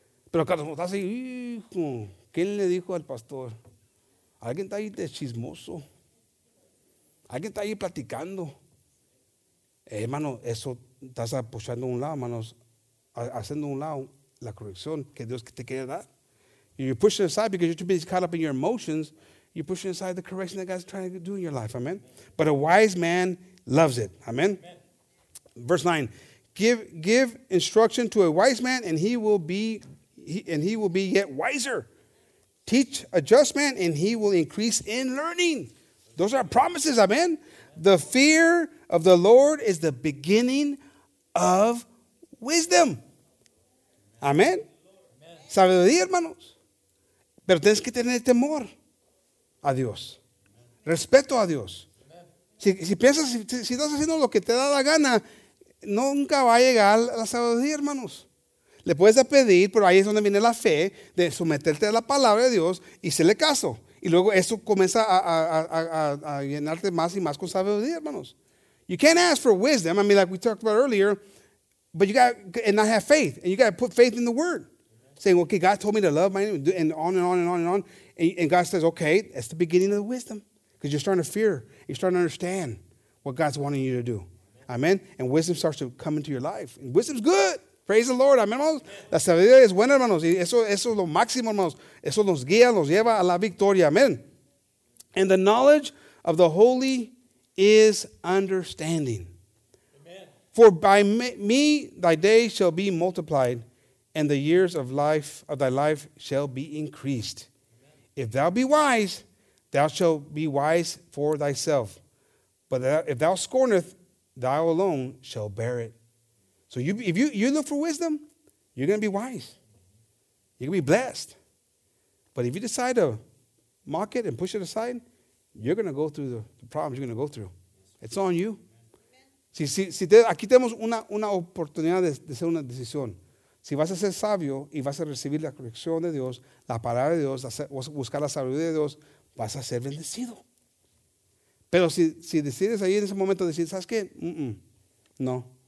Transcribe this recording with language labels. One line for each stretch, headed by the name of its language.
Spanish: Pero cuando uno está así, hijo, ¿quién le dijo al pastor? Alguien está ahí de chismoso. Alguien está ahí platicando. Hermano, eso estás apoyando a un lado, hermanos. Haciendo a un lado la corrección que Dios te quiere dar.
English: You're pushing aside because you're too busy caught up in your emotions. You're pushing aside the correction that God's trying to do in your life. Amen. But a wise man loves it. Amen. Verse 9. Give instruction to a wise man and he will be yet wiser. Teach a just man and he will increase in learning. Those are promises, amen. The fear of the Lord is the beginning of wisdom.
Spanish: Amen. Sabiduría, hermanos. Pero tienes que tener temor a Dios. Respeto a Dios. Si piensas, si estás haciendo lo que te da la gana, nunca va a llegar a la sabiduría, hermanos. Le puedes pedir, pero ahí es donde viene la fe, de someterte a la palabra de Dios y hacerle caso. Y luego eso comienza a llenarte más y más con sabiduría, hermanos.
English: You can't ask for wisdom, I mean, like we talked about earlier, but you got and not have faith. And you got to put faith in the word. Saying, okay, God told me to love my enemy, and on and on and on and on. And God says, okay, that's the beginning of the wisdom. Because you're starting to fear. You're starting to understand what God's wanting you to do. Amen? And wisdom starts to come into your life. And wisdom's good. Praise the Lord, amén, hermanos.
Spanish: La sabiduría es buena, hermanos. Y eso es lo máximo, hermanos. Eso nos guía, nos lleva a la victoria, amén.
English: And the knowledge of the holy is understanding. Amen. For by me thy days shall be multiplied, and the years of thy life shall be increased. Amen. If thou be wise, thou shalt be wise for thyself. But if thou scorneth, thou alone shall bear it. So if you look for wisdom, you're going to be wise. You're going to be blessed. But if you decide to mock it and push it aside, you're going to go through the problems you're going to go through. It's on you.
Spanish: Aquí tenemos una oportunidad de hacer una decisión. Si vas a ser sabio y vas a recibir la corrección de Dios, la palabra de Dios, vas a buscar la sabiduría de Dios, vas a ser bendecido. Pero si decides ahí en ese momento decir, ¿sabes qué? No.